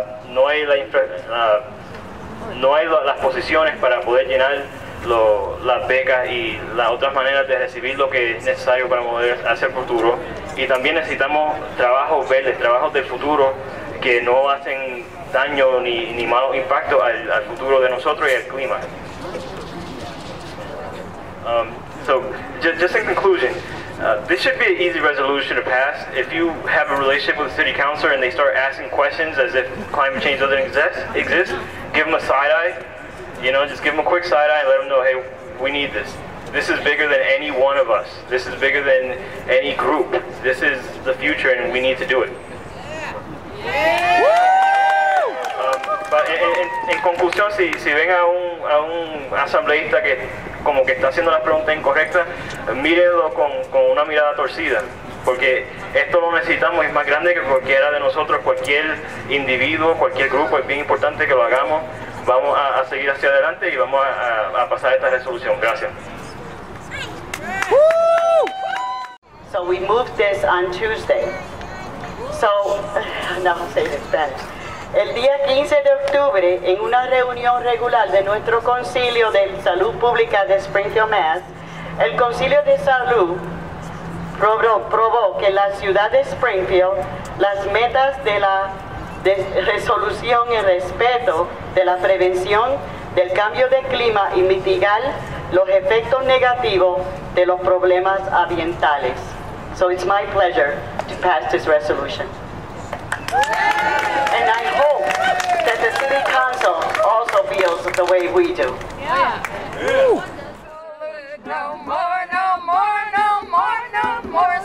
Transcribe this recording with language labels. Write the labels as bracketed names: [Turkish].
[Spanish] No hay las posiciones para poder llenar las becas y las otras maneras de recibir lo que es necesario para poder hacer futuro. Y también necesitamos trabajos verdes, trabajos del futuro que no hacen daño ni malo impacto al futuro de nosotros y al clima. [English] So, just in conclusion, this should be an easy resolution to pass. If you have a relationship with the city councilor and they start asking questions as if climate change doesn't exist, give them a side eye. You know, just give them a quick side eye and let them know, hey, we need this. This is bigger than any one of us. This is bigger than any group. This is the future and we need to do it. Yeah. Yeah. Woo! [Spanish] En conclusión, si ven a un asambleísta que como que está haciendo la pregunta incorrecta, mírelo con una mirada torcida, porque esto lo necesitamos, es más grande que cualquiera de nosotros, cualquier individuo, cualquier grupo, es bien importante que lo hagamos. Vamos a seguir hacia adelante y vamos a pasar esta resolución. Gracias. [English] So we moved this on Tuesday. So, now I'll say it better. [Spanish] El día 15 de octubre, en una reunión regular de nuestro Concilio de Salud Pública de Springfield, Mass., el Concilio de Salud probó que la ciudad de Springfield, las metas de la resolución en respeto de la prevención del cambio de clima y mitigar los efectos negativos de los problemas ambientales. [English] So it's my pleasure to pass this resolution. And I hope that the city council also feels the way we do. Yeah. No more, no more, no more, no more.